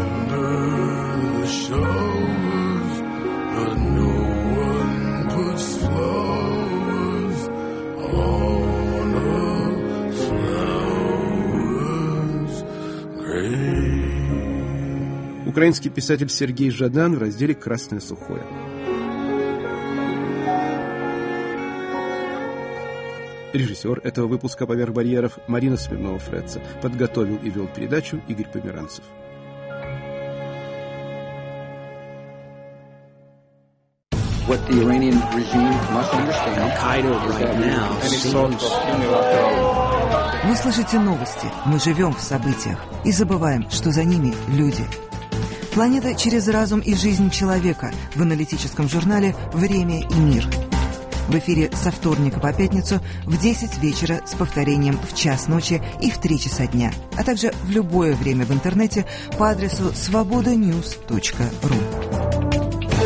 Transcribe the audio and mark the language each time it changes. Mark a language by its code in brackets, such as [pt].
[en] Showers, but no one puts flowers on a flower's grave. [ru] Украинский писатель Сергей Жадан в разделе «Красное сухое». Режиссер этого выпуска «Поверх барьеров» Марина Смирнова-Фредца. Подготовил и вел передачу Игорь Померанцев. [en] What the Iranian regime must understand. Al-Qaeda right now seems... [ru] Мы слышите новости, мы живем в событиях и забываем, что за ними люди. Планета через разум и жизнь человека в аналитическом журнале «Время и мир». В эфире со вторника по пятницу в 10 вечера с повторением в час ночи и в 3 часа дня, а также в любое время в интернете по адресу svobodanews.ru.